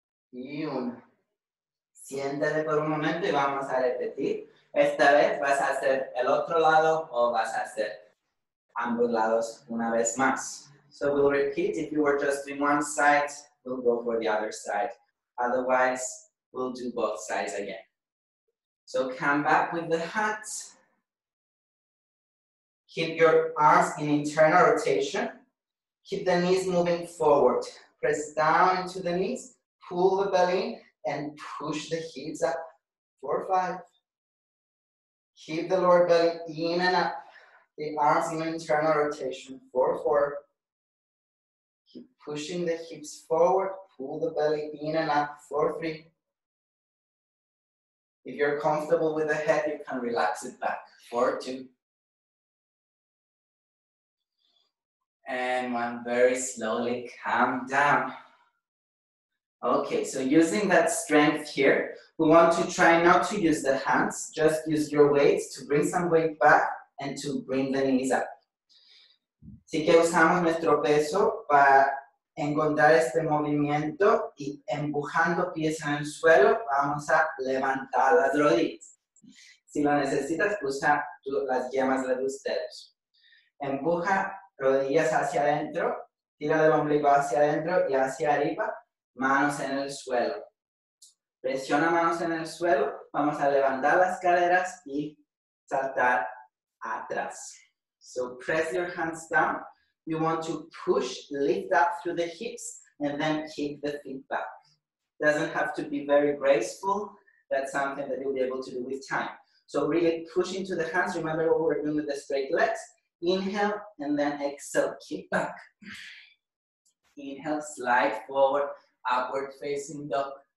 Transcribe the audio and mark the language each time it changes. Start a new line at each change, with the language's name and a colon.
Spanish: 3, 2, 1. Siéntate por un momento y vamos a repetir. Esta vez vas a hacer el otro lado o vas a hacer ambos lados una vez más.
English: So we'll repeat, if you were just doing one side, we'll go for the other side. Otherwise, we'll do both sides again. So come back with the hat. Keep your arms in internal rotation. Keep the knees moving forward. Press down into the knees, pull the belly in, and push the heels up. 4, 5. Keep the lower belly in and up. The arms in internal rotation. 4, 4. Keep pushing the hips forward. Pull the belly in and up. 4, 3. If you're comfortable with the head, you can relax it back. 4, 2. And one very slowly, calm down. Okay, so using that strength here, we want to try not to use the hands, just use your weights to bring some weight back and to bring the knees up.
Spanish: Así que usamos nuestro peso para encontrar este movimiento y empujando pies en el suelo, vamos a levantar las rodillas. Si lo necesitas, usa las yemas de tus dedos. Empuja rodillas hacia adentro, tira del ombligo hacia adentro y hacia arriba, manos en el suelo. Presiona manos en el suelo, vamos a levantar las caderas y saltar atrás.
English: So press your hands down. You want to push, lift up through the hips, and then kick the feet back. Doesn't have to be very graceful. That's something that you'll be able to do with time. So really push into the hands. Remember what we're doing with the straight legs. Inhale, and then exhale, kick back. Inhale, slide forward, upward facing dog.